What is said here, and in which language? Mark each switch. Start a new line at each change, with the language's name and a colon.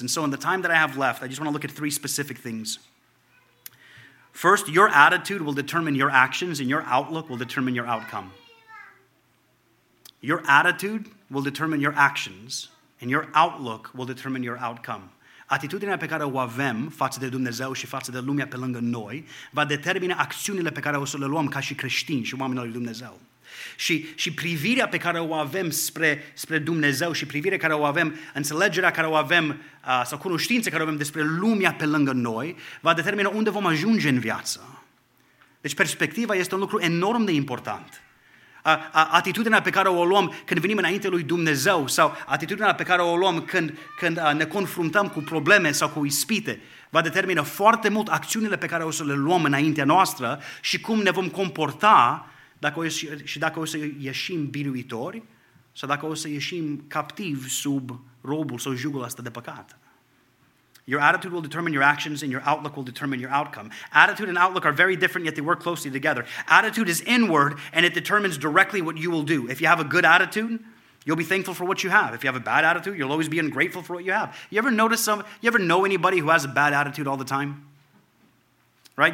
English: And so in the time that I have left, I just want to look at three specific things. First, your attitude will determine your actions, and your outlook will determine your outcome. Your attitude will determine your actions, and your outlook will determine your outcome.
Romanian: Atitudinea pe care o avem față de Dumnezeu și față de lumea pe lângă noi va determina acțiunile pe care o să le luăm ca și creștini și oamenii lui Dumnezeu. Și privirea pe care o avem spre Dumnezeu și privirea care o avem, înțelegerea care o avem sau cunoștința care o avem despre lumea pe lângă noi va determina unde vom ajunge în viață. Deci perspectiva este un lucru enorm de important. Atitudinea pe care o luăm când venim înainte lui Dumnezeu sau atitudinea pe care o luăm când ne confruntăm cu probleme sau cu ispite va determina foarte mult acțiunile pe care o să le luăm înaintea noastră și cum ne vom comporta dacă o să ieșim biruitori sau dacă o să ieșim captivi sub robul sau jugul ăsta de păcat.
English: Your attitude will determine your actions, and your outlook will determine your outcome. Attitude and outlook are very different, yet they work closely together. Attitude is inward, and it determines directly what you will do. If you have a good attitude, you'll be thankful for what you have. If you have a bad attitude, you'll always be ungrateful for what you have. You ever know anybody who has a bad attitude all the time? Right?